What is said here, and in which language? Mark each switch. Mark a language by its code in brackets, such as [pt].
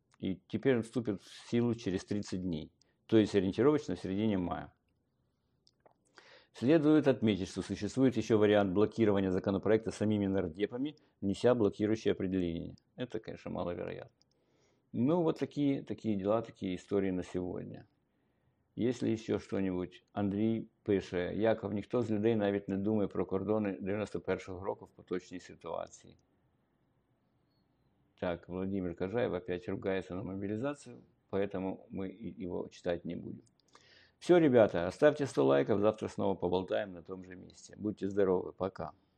[ru] И теперь он вступит в силу через 30 дней. То есть ориентировочно в середине мая. Следует отметить, что существует еще вариант блокирования законопроекта самими нардепами, внеся блокирующее определение. Это, конечно, маловероятно. Ну, вот такие дела, такие истории на сегодня. Есть ли еще что-нибудь? [uk] Андрій пише, Яков, ніхто з людей навіть не думає про кордони 91-го року в поточній ситуації. Так, Владимир Кожаєв опять ругається на мобілізацію. [ru] Поэтому мы его читать не будем. Все, ребята, оставьте 100 лайков. Завтра снова поболтаем на том же месте. Будьте здоровы. Пока.